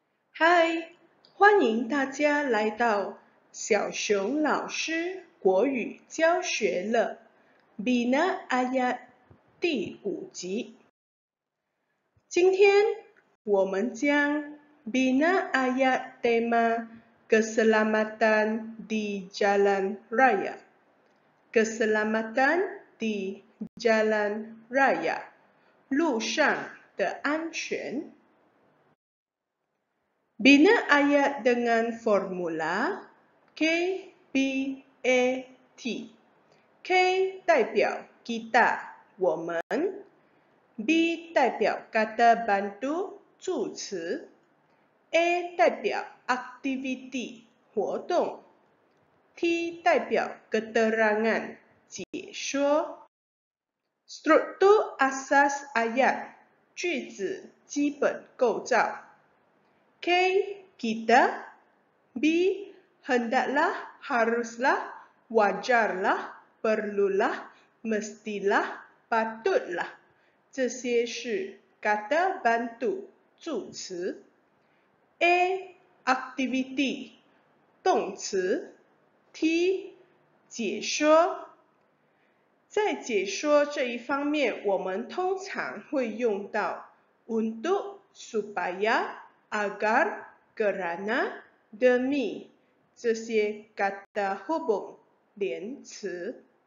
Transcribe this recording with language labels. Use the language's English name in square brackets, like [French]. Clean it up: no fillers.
[Chinese] 嗨，欢迎大家来到小熊老师国语教学乐 Bina Aya 第五集。今天我们将 [Malay] Bina Aya tema keselamatan di jalan raya。 keselamatan di jalan raya， [Chinese] 路上的安全。 [Malay] Bina ayat dengan formula KBAT. [Chinese] K 代表 kita, 我们。 B 代表 kata bantu, 助词。 A 代表 activity, 活动。 T 代表 keterangan, 解说。 [Malay] Struktur asas ayat, [Chinese] 句子基本构造。 [Malay] K, kita. B, hendaklah, haruslah, wajarlah, perlulah, mestilah, patutlah. [Chinese] 这些是 kata bantu, 助词。 A, activity, 动词。 T, 解说。在解说这一方面，我们通常会用到 untuk, supaya,agar, kerana, demi, 这些 kata hubung, 连词。